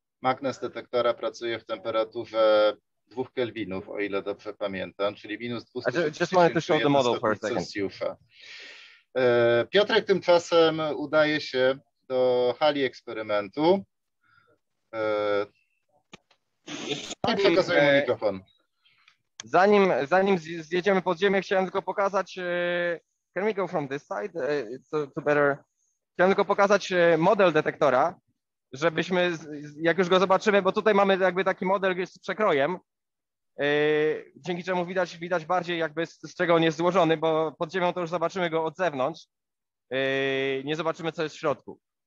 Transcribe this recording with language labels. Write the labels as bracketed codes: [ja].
[pl] magnes detektora pracuje w temperaturze 2 kelwinów, o ile dobrze pamiętam, czyli minus 260 Celsjusza. Piotrek tymczasem udaje się do hali eksperymentu. Przekazuję mu mikrofon. Zanim zjedziemy pod ziemię, chciałem tylko pokazać... [en] Can we go from this side to better... [pl] Chciałem tylko pokazać model detektora, żebyśmy, jak już go zobaczymy, bo tutaj mamy jakby taki model z przekrojem, dzięki czemu widać bardziej jakby z czego on jest złożony, bo pod ziemią to już zobaczymy go od zewnątrz, nie zobaczymy co jest w środku.